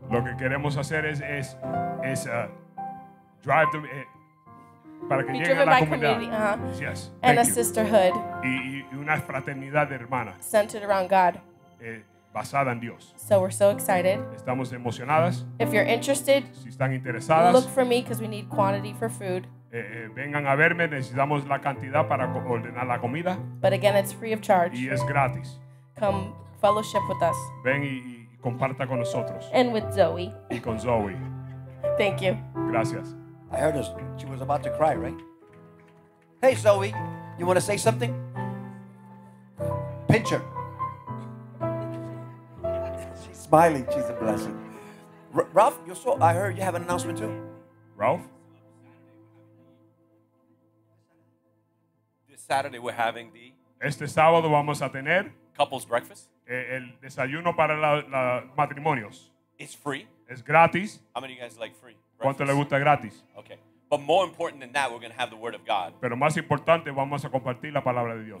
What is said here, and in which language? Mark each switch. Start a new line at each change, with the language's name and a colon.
Spanish: Lo que queremos hacer es
English: drive them.
Spanish: Para que
English: be driven
Spanish: a la
English: by community, yes. And thank you. Sisterhood.
Spanish: Y una fraternidad de hermana.
English: Centered around God.
Spanish: Basada en Dios.
English: So we're so excited.
Spanish: Estamos emocionadas.
English: If you're interested,
Spanish: si están interesadas,
English: look for me because we need quantity for food.
Spanish: Vengan a verme, necesitamos la cantidad para ordenar la comida.
English: But again, it's free of charge.
Spanish: Y es gratis.
English: Come fellowship with us.
Spanish: Ven y comparta con nosotros.
English: And with Zoe.
Spanish: Y con Zoe.
English: Thank you.
Spanish: Gracias.
English: I heard her. She was about to cry, right? Hey, Zoe, you want to say something? Pinch her. She's smiling. She's a blessing. Ralph, I heard you have an announcement too. Ralph? This Saturday we're having the...
Spanish: Este sábado vamos a tener...
English: Couples breakfast.
Spanish: El desayuno para los matrimonios.
English: It's free.
Spanish: Es gratis.
English: How many of you guys like free?
Spanish: ¿Cuánto le gusta gratis?
English: Okay. But more important than that, we're going to have the word of God.
Spanish: Pero más importante, vamos a compartir la palabra de Dios.